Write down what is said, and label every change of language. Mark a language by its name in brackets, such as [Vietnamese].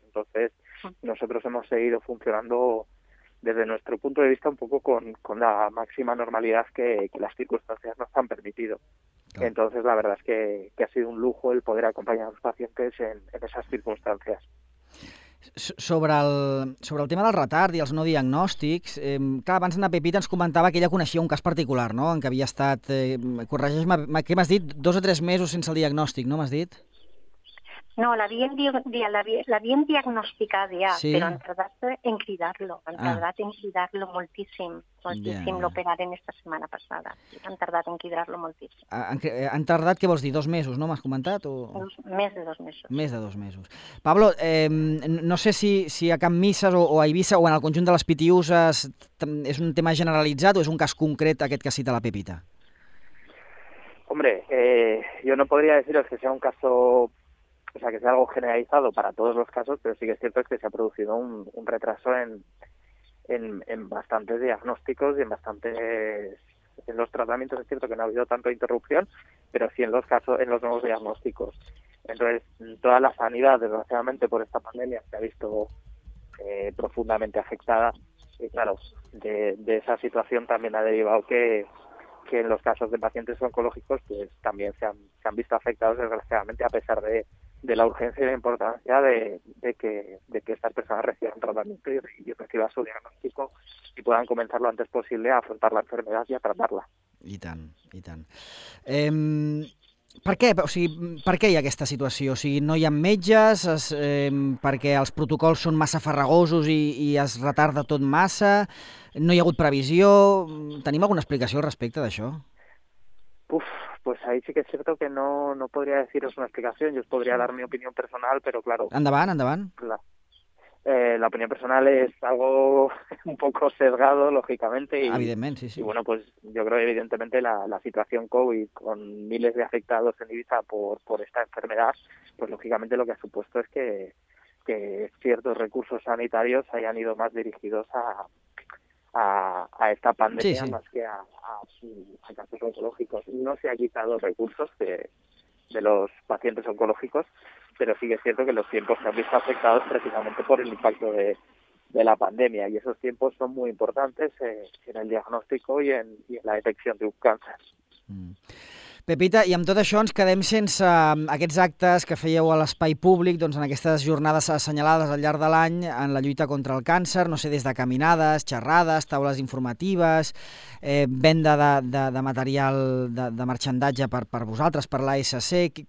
[Spanish] Entonces, nosotros hemos seguido funcionando desde nuestro punto de vista un poco con la máxima normalidad que las circunstancias nos han permitido. Claro. Entonces, la verdad es que ha sido un lujo el poder acompañar a los pacientes en esas circunstancias. [Catalan] Sobre el tema del retard i els no diagnòstics, clar, abans en Pepita ens comentava que ella coneixia un cas particular, no?, en què havia estat, corregeix-me, què m'has dit, 2 o 3 mesos sense el diagnòstic, no m'has dit? No, l'havien diagnosticat ja, sí? Però han tardat en cridar-lo moltíssim, yeah. L'operar en esta setmana passada. Han tardat en cridar-lo moltíssim. Han tardat, què vols dir, 2 mesos, no m'has comentat? O... Més de 2 mesos. Pablo, no sé si a Can Misses o a Eivissa o en el conjunt de les PTUs és un tema generalitzat o és un cas concret aquest que cita la Pepita? Hombre, jo no podria dir que sigui un cas... [Spanish] O sea, que sea algo generalizado para todos los casos, pero sí que es cierto que se ha producido un retraso en bastantes diagnósticos y en bastantes en los tratamientos. Es cierto que no ha habido tanta interrupción, pero sí en los casos, en los nuevos diagnósticos. Entonces, toda la sanidad, desgraciadamente, por esta pandemia, se ha visto profundamente afectada. Y claro, de esa situación también ha derivado que en los casos de pacientes oncológicos, pues también se han visto afectados, desgraciadamente, a pesar de la urgencia y la importancia de que estas personas reciban tratamiento y reciban su diagnóstico y puedan comenzar lo antes posible a afrontar la enfermedad y a tratarla. [Catalan] I tant, i tant. Per què? O sigui, per què hi ha aquesta situació? O sigui, no hi ha metges? Perquè els protocols són massa farragosos i es retarda tot massa? No hi ha hagut previsió? Tenim alguna explicació al respecte d'això? [Spanish] Uf, pues ahí sí que es cierto que no podría deciros una explicación. Yo os podría dar mi opinión personal, pero claro... [Catalan] Endavant, endavant. [Spanish] La opinión personal es algo un poco sesgado, lógicamente. Evidentemente, sí, sí. Y bueno, pues yo creo que evidentemente la situación COVID con miles de afectados en Ibiza por esta enfermedad, pues lógicamente lo que ha supuesto es que ciertos recursos sanitarios hayan ido más dirigidos a esta pandemia, sí, sí, más que a casos oncológicos. No se ha quitado recursos de los pacientes oncológicos, pero sí que es cierto que los tiempos se han visto afectados precisamente por el impacto de la pandemia, y esos tiempos son muy importantes en el diagnóstico y en la detección de un cáncer. [Catalan] Pepita, i amb tot això ens quedem sense aquests actes que fèieu a l'espai públic, doncs en aquestes jornades assenyalades al llarg de l'any en la lluita contra el càncer, no sé, des de caminades, xerrades, taules informatives, venda de material de merchandatge per vosaltres, per l'ASC.